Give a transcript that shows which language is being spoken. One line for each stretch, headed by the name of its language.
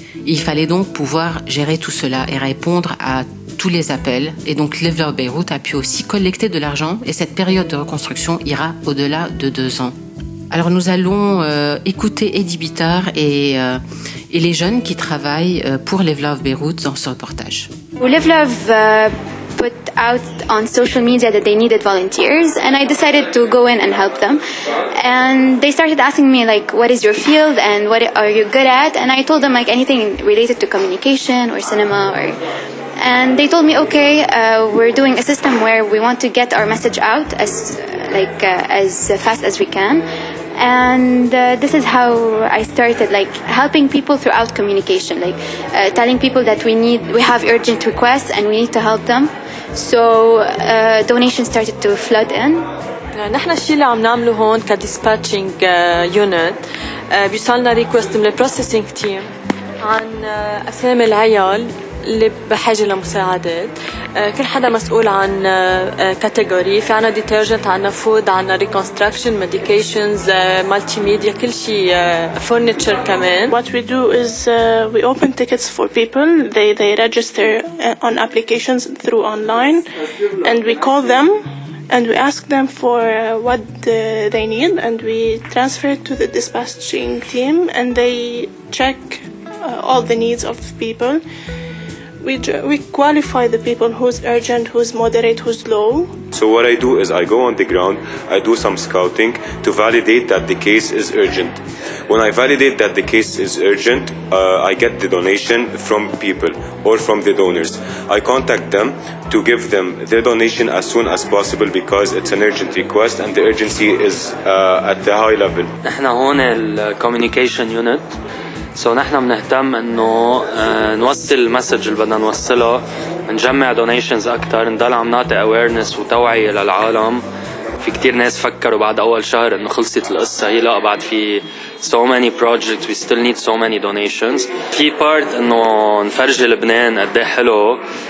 French: Il fallait donc pouvoir gérer tout cela et répondre à tous les appels. Et donc Live Love Beyrouth a pu aussi collecter de l'argent et cette période de reconstruction ira au-delà de 2 ans. Alors nous allons écouter Eddie Bitar et les jeunes qui travaillent pour Live Love Beyrouth dans ce reportage.
English: Live Love put out on social media that they needed volunteers and I decided to go in and help them. And they started asking me like, what is your field and what are you good at? And I told them like anything related to communication or cinema or... And they told me, okay, we're doing a system where we want to get our message out as fast as we can. And this is how I started, like helping people throughout communication, like telling people that we have urgent requests and we need to help them. So donations started to flood in.
Arabic: نحن الشيء اللي عم نعمله هون كديسباتشينج يونت بيوصلنا ريكوست من البروسيسينج تيم عن اسامي العيال اللي بحاجة لمساعدات. كل حدا مسؤول عن كاتيجوري. في عنا ديترجنت, عنا فود, عنا ريكونستراكشن, ميديكيشنز, مالتي ميديا, كل شيء, فورنيتشر كمان.
English: What we do is we open tickets for people. They register on applications through online and we call them and we ask them for what they need and we transfer it to the dispatching team and they check all the needs of people. We qualify the people who's urgent, who's moderate, who's low. So what I do is I go on the ground, I do some scouting to validate that the case is urgent. When I validate that the case is urgent, I get the donation from people or from the donors. I contact them to give them the donation as soon as possible because it's an urgent request and the urgency is at the high level.
Arabic: نحن هون الcommunication unit. So نحن بنهتم انه نوصل المسج اللي بدنا نوصله, نجمع donations اكثر, نضل عم نعطي awareness وتوعيه للعالم. في كتير ناس فكروا بعد اول شهر انه خلصت القصه, هي لا, بعد في
English: so many projects, we still need so many donations. Key part
Arabic: انه نفرجي لبنان قد ايه حلو